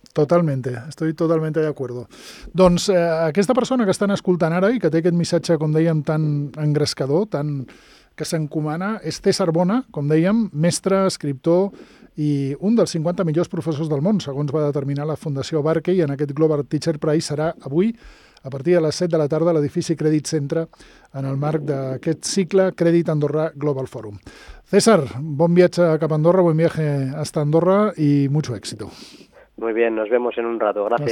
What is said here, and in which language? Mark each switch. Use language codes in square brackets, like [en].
[es] Totalmente, estoy totalmente de acuerdo. [ca] Doncs, aquesta persona que estan escoltant ara i que té aquest missatge, com dèiem, tan engrescador, tan que s'encomana, és César Bona, com dèiem, mestre, escriptor i un dels 50 millors professors del món, segons va determinar la Fundació Barkey, en aquest Global Teacher Prize serà avui, a partir de les 7 de la tarda, a l'edifici Crèdit Centre, en el marc d'aquest cicle Crèdit Andorra Global Forum. [es] César, [ca] bon viatge cap a Andorra, [es] buen viaje hasta Andorra y mucho éxito. Muy bien, nos vemos en un rato, gracias.